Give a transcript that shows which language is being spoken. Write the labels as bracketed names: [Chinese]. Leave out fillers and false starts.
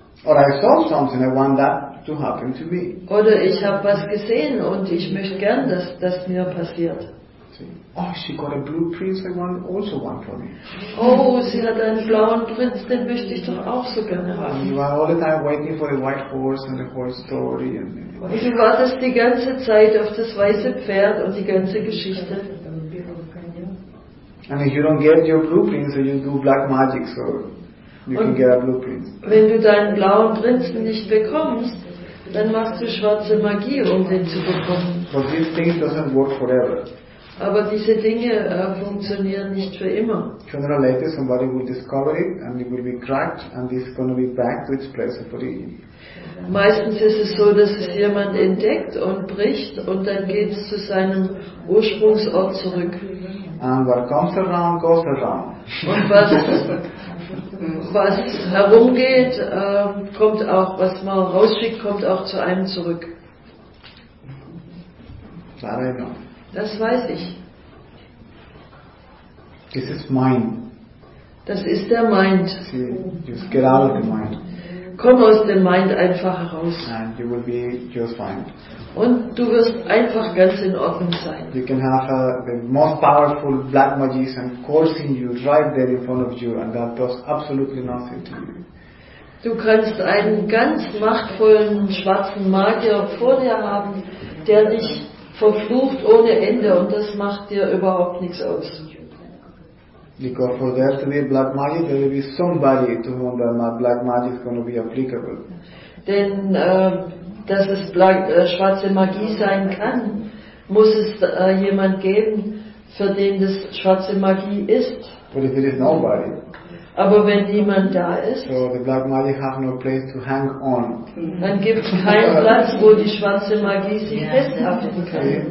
[English] Or I saw something, I want that to happen to me. [German] Oder ich habe was gesehen und ich möchte gern, dass das mir passiert. [English] Oh, she got a blue prince, I want also one for me. [German] Oh, sie hat einen blauen Prinz, den möchte ich doch auch so gerne haben. [English] You are all the time waiting for the white horse and the horse story. [German] Du wartest die ganze Zeit auf das weiße Pferd und die ganze Geschichte. [English] And if you don't get your blue prince, then you do black magic, so you can get a blue prince. [German] Wenn du deinen blauen Prinzen nicht bekommst, dann machst du schwarze Magie, um den zu bekommen. [English] But these things doesn't work forever. [German] Aber diese Dinge funktionieren nicht für immer. [English] Sooner or later, somebody will discover it, and it will be cracked, and it's going to be back to its place of origin. [German] Meistens ist es so, dass es jemand entdeckt und bricht, und dann geht es zu seinem Ursprungsort zurück. [English] And what comes around goes around. [German] Und was herumgeht, kommt auch, was man rausschickt, kommt auch zu einem zurück. [English] That I know. [German] Das weiß ich. [English] This is mine. [German] Das ist der Mind. [English] See, just get out of the mind. [German] Komm aus dem Mind einfach heraus. [English] And you will be just fine. [German] Und du wirst einfach ganz in Ordnung sein. [English] You can have the most powerful black magician coursing you right there in front of you, and that does absolutely nothing to you. [German] Du kannst einen ganz machtvollen schwarzen Magier vor dir haben, der dich verflucht ohne Ende, und das macht dir überhaupt nichts aus. [English] Because for there to be black magic, there will be somebody to whom that black magic is going to be applicable. [German] Denn dass es schwarze Magie sein kann, muss es jemand geben, für den das schwarze Magie ist. [English] But if it is nobody. [German] Aber wenn niemand da ist, [English] so the black magic has no place to hang on. [German] Dann gibt es keinen Platz, wo die schwarze Magie sich festhalten kann.